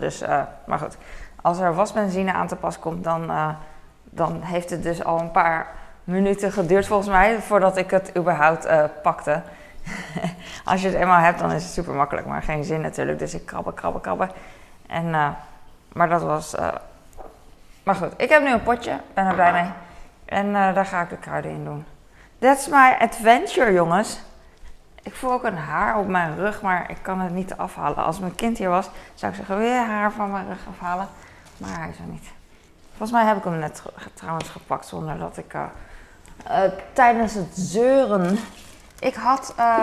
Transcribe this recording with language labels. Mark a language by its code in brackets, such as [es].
[nl] Dus, maar goed, als er wasbenzine aan te pas komt, dan heeft het dus al een paar minuten geduurd volgens mij, voordat ik het überhaupt pakte. Als je het eenmaal hebt, dan is het super makkelijk, maar geen zin natuurlijk. Dus ik krabbe. En, maar dat was. Maar goed, ik heb nu een potje. Ben er blij mee. En daar ga ik de kruiden in doen. [en] That's my adventure, jongens. [nl] Ik voel ook een haar op mijn rug, maar ik kan het niet afhalen. Als mijn kind hier was, zou ik zeggen: weer haar van mijn rug afhalen. Maar hij is er niet. Volgens mij heb ik hem net trouwens gepakt zonder dat ik. Tijdens het zeuren. Ik had.